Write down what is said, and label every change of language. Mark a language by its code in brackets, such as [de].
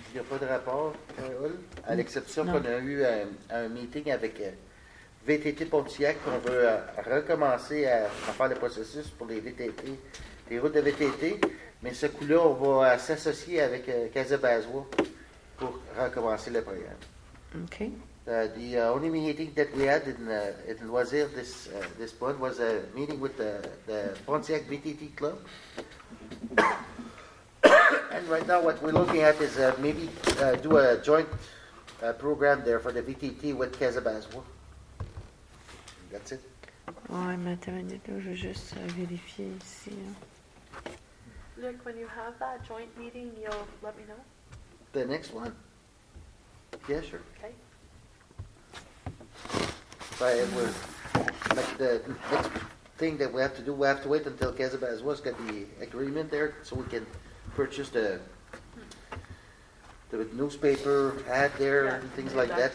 [fr] Il n'y a pas de rapport, Carole, à l'exception qu'on a eu un meeting avec... VTT Pontiac, qu'on veut recommencer à faire le processus pour les VTT, les routes de VTT, mais ce coup-là, on va s'associer avec Casabazwa pour recommencer le programme. OK. [en] The only meeting that we had in Loisir this month was a meeting with the Pontiac VTT Club. And right now, what we're looking at is maybe do a joint program there for the VTT with Casabazwa. [fr] Oui, mais attends une minute, je vais juste vérifier ici. Hein. [en] Look, when you have that joint meeting, you'll let me know. The next one? Yeah, sure. Okay. But it was like the next thing that we have to do. We have to wait until Casabazwa's got the agreement there, so we can purchase the newspaper ad there and things like that,